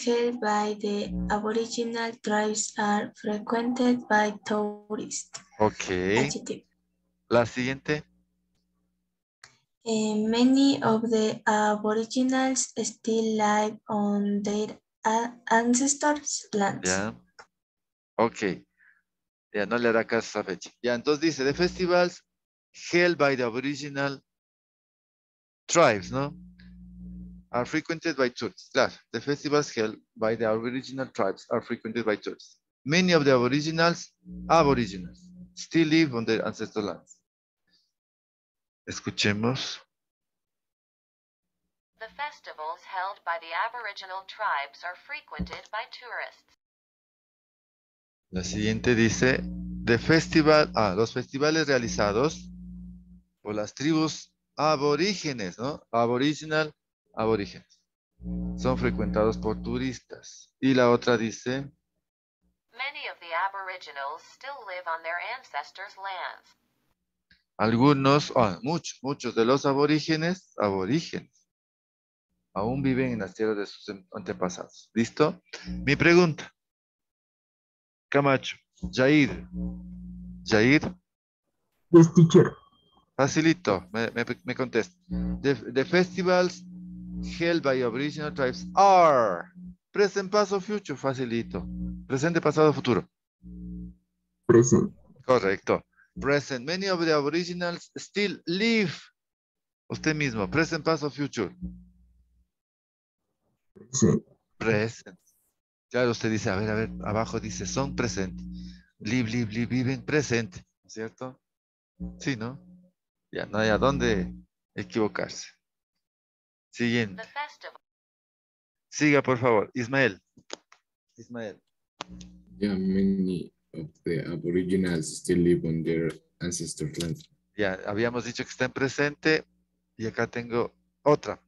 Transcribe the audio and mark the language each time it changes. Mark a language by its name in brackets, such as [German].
[English] held by the Aboriginal tribes are frequented by tourists. [Spanish] Ok. Adjective. La siguiente. [English] Many of the Aboriginals still live on their ancestors' lands. Yeah. [Spanish] Ok, ya no le hará caso a esa fecha. Ya, entonces dice, [English] the festivals held by the Aboriginal tribes, ¿no? Are frequented by tourists. Claro, the festivals held by the Aboriginal tribes are frequented by tourists. Many of the Aboriginals, still live on their ancestral lands. [Spanish] Escuchemos. [English] The festivals held by the Aboriginal tribes are frequented by tourists. [Spanish] La siguiente dice, los festivales realizados por las tribus aborígenes, ¿no? Aboriginal, aborígenes, son frecuentados por turistas. Y la otra dice, [English] many of the aboriginals still live on their ancestors' lands. [Spanish] Muchos de los aborígenes, aún viven en las tierras de sus antepasados. ¿Listo? Mi pregunta. Camacho, Jair. [English] Yes, teacher. [Spanish] Facilito, me contesta. [English] The festivals held by Aboriginal tribes are present, past, future. [Spanish] Facilito. Presente, pasado, futuro. [English] Present. Correcto. Present. Many of the Aboriginals still live. [Spanish] Usted mismo. [English] Present, past, future. Present. [Spanish] Claro, usted dice, a ver, abajo dice, son presentes. Live, viven presente, ¿cierto? Sí, ¿no? Ya, no hay a dónde equivocarse. Siguiente. Siga, por favor. Ismael. [English] Yeah, many of the aboriginals still live on their ancestors' land. [Spanish] Ya, habíamos dicho que está en presente y acá tengo otra.